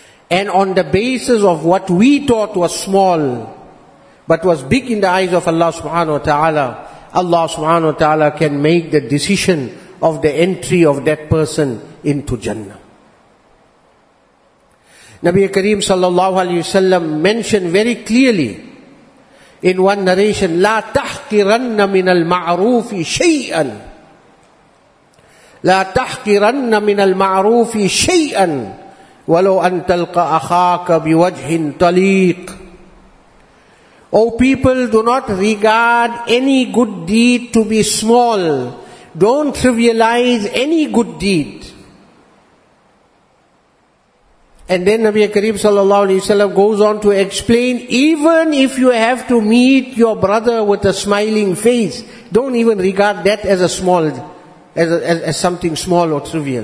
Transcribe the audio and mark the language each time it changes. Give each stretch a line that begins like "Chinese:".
English: And on the basis of what we thought was small, but was big in the eyes of Allah subhanahu wa ta'ala, Allah subhanahu wa ta'ala can make the decision of the entry of that person into Jannah. Nabi Kareem sallallahu alayhi wa sallam mentioned very clearly in one narration,
Arabic: لا تحقرن من المعروف شيئا لا تحقرن من المعروف شيئا ولو أن تلقى أخاك بوجه طليق.
English: O people, do not regard any good deed to be small. Don't trivialize any good deed. And then Nabi Kareem sallallahu alayhi wa sallam goes on to explain, even if you have to meet your brother with a smiling face, don't even regard that as a small, as something small or trivial.